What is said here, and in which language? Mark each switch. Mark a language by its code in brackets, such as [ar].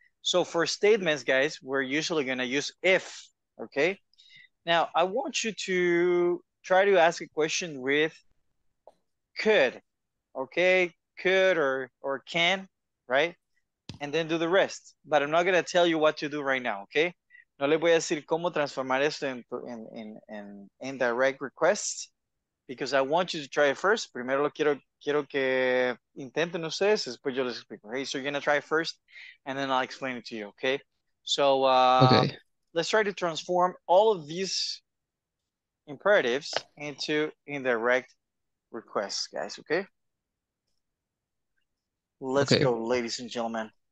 [en] So for statements, guys, we're usually gonna use if, okay? Now I want you to try to ask a question with could, okay? Could or can, right? And then do the rest. But I'm not gonna tell you what to do right now, okay? [es] No le voy a decir cómo transformar esto en [en] direct requests. Because I want you to try it first. [es] Primero lo quiero que intenten ustedes, después yo les explico. [en] Okay, so you're gonna try it first, and then I'll explain it to you. Okay. So let's try to transform all of these imperatives into indirect requests, guys. Okay. Let's go, ladies and gentlemen.